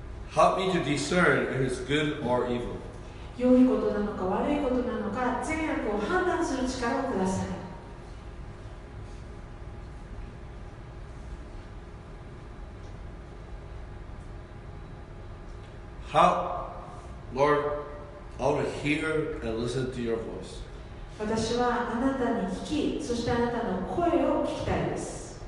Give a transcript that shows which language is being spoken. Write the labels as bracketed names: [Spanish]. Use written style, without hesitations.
[English] Help me to discern if it's good or evil. [Japanese] 良いことなのか悪いことなのか善悪を判断する力をください。 [English] How, Lord, I want to hear and listen to your voice. [Japanese] 私はあなたに聞き、そしてあなたの声を聞きたいです。